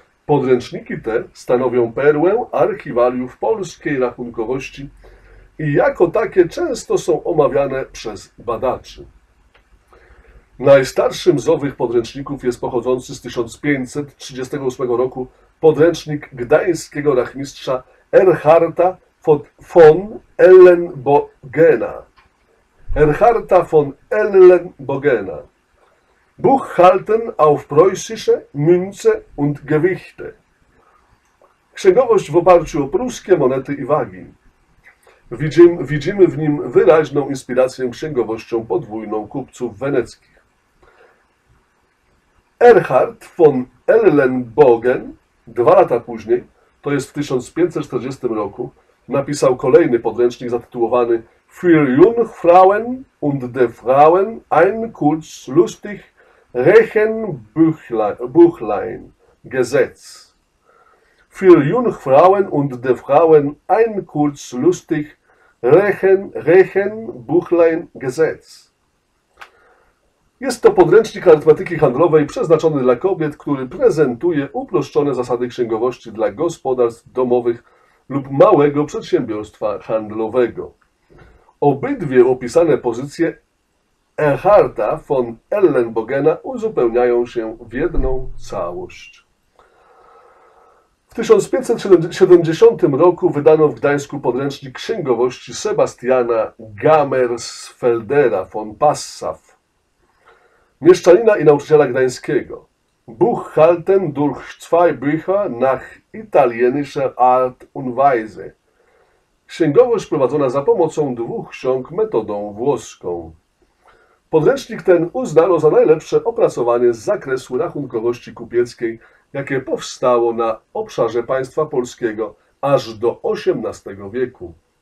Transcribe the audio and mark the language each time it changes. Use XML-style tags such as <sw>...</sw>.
<pl>Podręczniki te stanowią perłę archiwaliów polskiej rachunkowości i jako takie często są omawiane przez badaczy. Najstarszym z owych podręczników jest pochodzący z 1538 roku podręcznik gdańskiego rachmistrza Erharta von Ellenbogena.</pl> <de>Erharta von Ellenbogena. Buchhalten auf preußische Münze und Gewichte.</de> <pl>Księgowość w oparciu o pruskie monety i wagi. Widzimy w nim wyraźną inspirację księgowością podwójną kupców weneckich. Erhard von Ellenbogen, 2 lata później, to jest w 1540 roku, napisał kolejny podręcznik zatytułowany</pl> <de>Für Jungfrauen und der Frauen ein kurz lustig Rechenbuchlein, Gesetz. Für Jungfrauen und der Frauen ein kurz lustig Rechenbuchlein, Gesetz.</de> <pl>Jest to podręcznik arytmetyki handlowej przeznaczony dla kobiet, który prezentuje uproszczone zasady księgowości dla gospodarstw domowych lub małego przedsiębiorstwa handlowego. Obydwie opisane pozycje Erharta von Ellenbogena uzupełniają się w jedną całość. W 1570 roku wydano w Gdańsku podręcznik księgowości Sebastiana Gamersfeldera von Passaw, mieszczanina i nauczyciela gdańskiego.</pl> <de>Buchhalten durch zwei Bücher nach italienischer Art und Weise.</de> <pl>Księgowość prowadzona za pomocą dwóch ksiąg metodą włoską. Podręcznik ten uznano za najlepsze opracowanie z zakresu rachunkowości kupieckiej, jakie powstało na obszarze państwa polskiego aż do XVIII wieku.</pl>